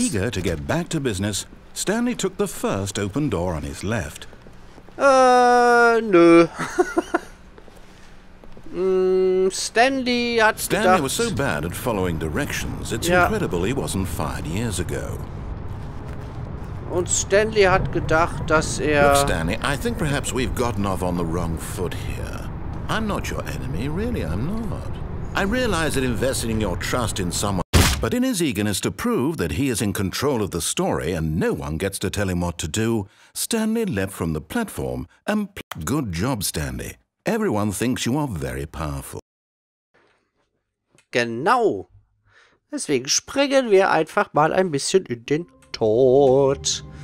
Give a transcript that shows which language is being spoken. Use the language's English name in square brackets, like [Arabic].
[English] Eager to get back to business, Stanley took the first open door on his left. [German] Nö. Stanley hat gedacht. [English] Stanley was so bad at following directions, it's incredible he wasn't fired years ago. [German] Und Stanley hat gedacht, dass er... [English] Look, Stanley, I think perhaps we've gotten off on the wrong foot here. I'm not your enemy, really, I'm not. I realize that investing your trust in someone... But in his eagerness to prove that he is in control of the story and no one gets to tell him what to do, Stanley leapt from the platform and... Good job, Stanley. Everyone thinks you are very powerful. [German] Genau. Deswegen springen wir einfach mal ein bisschen in den... Tot.